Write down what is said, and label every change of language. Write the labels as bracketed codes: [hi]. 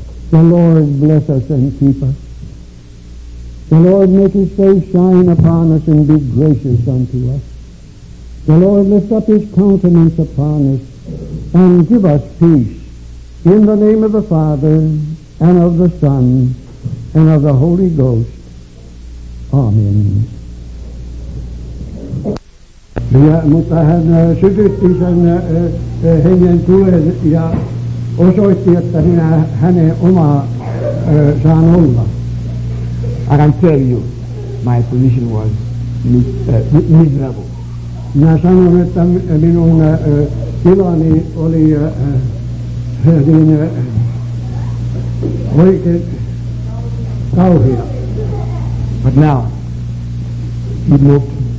[en] The Lord bless us and keep us. The Lord make His face shine upon us and be gracious unto us. The Lord lift up his countenance upon us and give us peace. In the name of the Father, and of the Son, and of the Holy Ghost. Amen. [fi] Ja, mutta hän sytytti sen hengen tulen ja osoitti, että minä hänen oma saan olla. [en] I can tell you, my position was miserable. [fi] Minä sanon, että minun tilani oli niin oikein kauhea. [en] But now, he moved.